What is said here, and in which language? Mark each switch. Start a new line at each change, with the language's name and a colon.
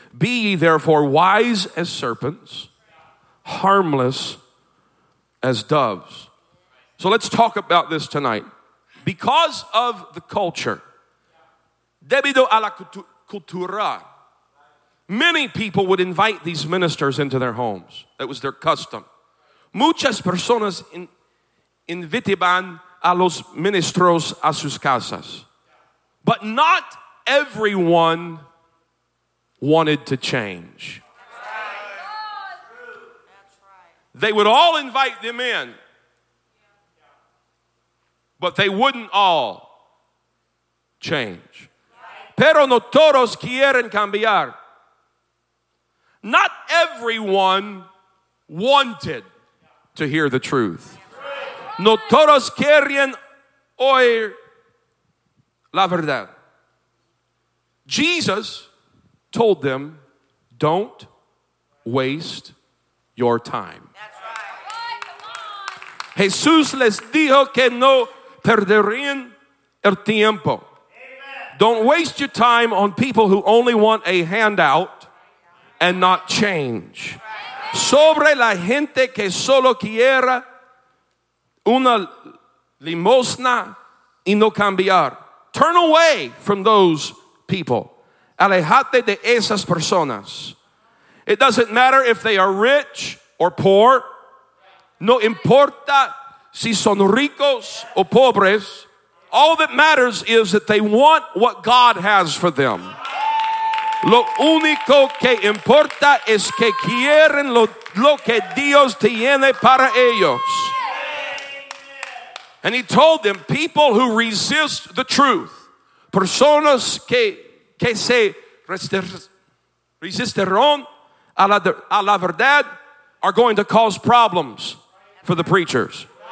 English: Be ye therefore wise as serpents, harmless as doves. So let's talk about this tonight. Because of the culture,
Spanish: debido a la cultura,
English: many people would invite these ministers into their homes. That was their custom.
Spanish: Muchas personas invitaban a los ministros a sus casas.
English: But not everyone wanted to change. They would all invite them in. but they wouldn't all change.
Spanish: Pero no todos quieren cambiar.
English: Not everyone wanted to hear the truth.
Spanish: No todos querían oír la verdad.
English: Jesus told them, don't waste your time.
Spanish: Jesús les dijo que no perderían el tiempo.
English: Don't waste your time on people who only want a handout and not change.
Spanish: Sobre la gente que solo quiera una limosna y no cambiar.
English: Turn away from those people.
Spanish: Alejate de esas personas.
English: It doesn't matter if they are rich or poor.
Spanish: No importa si son ricos o pobres.
English: All that matters is that they want what God has for them.
Spanish: Lo único que importa es que quieren lo que Dios tiene para ellos.
English: And he told them, people who resist the truth,
Spanish: personas que se resistirán a la verdad,
English: are going to cause problems for the preachers.